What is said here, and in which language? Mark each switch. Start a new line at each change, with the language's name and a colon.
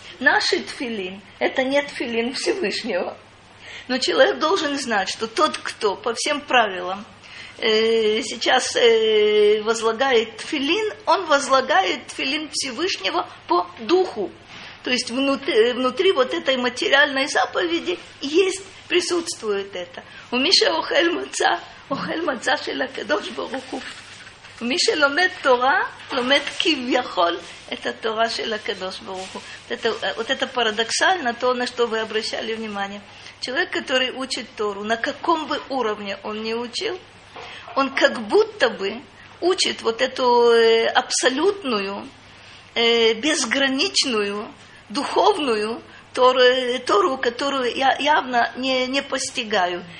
Russian: Наши тфилин – это не тфилин Всевышнего. Но человек должен знать, что тот, кто по всем правилам сейчас возлагает тфилин, он возлагает тфилин Всевышнего по духу. То есть внутри вот этой материальной заповеди есть, присутствует это.
Hebrew: У Миши охель маца шел акадош баруху. מי שלומד תורה, לומד כביכול את התורה של הקדוש ברוך הוא.
Russian: Вот это парадоксально то, на что вы обращали внимание. Человек, который учит Тору, на каком бы уровне он ни учил, он как будто бы учит вот эту абсолютную, безграничную, духовную Тору, которую я явно не постигаю.